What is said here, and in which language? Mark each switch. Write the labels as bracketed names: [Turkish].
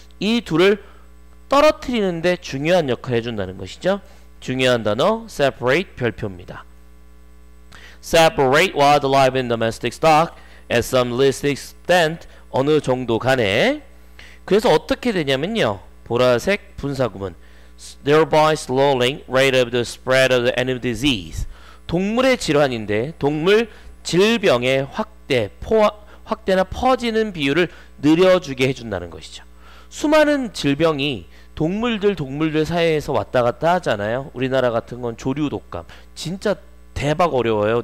[Korean] 이 둘을 떨어뜨리는데 중요한 역할을 해준다는 것이죠. 중요한 단어, [English] separate, [Korean] 별표입니다. [English] Separate wildlife and domestic stock at some least extent, [Korean] 어느 정도 간에. 그래서 어떻게 되냐면요. 보라색 분사 구문. [English] Thereby slowing rate of the spread of the animal disease. [Korean] 동물의 질환인데, 동물 질병의 확대나 퍼지는 비율을 느려주게 해준다는 것이죠. 수많은 질병이 동물들 사이에서 왔다 갔다 하잖아요. 우리나라 같은 건 조류독감. 진짜 대박 어려워요.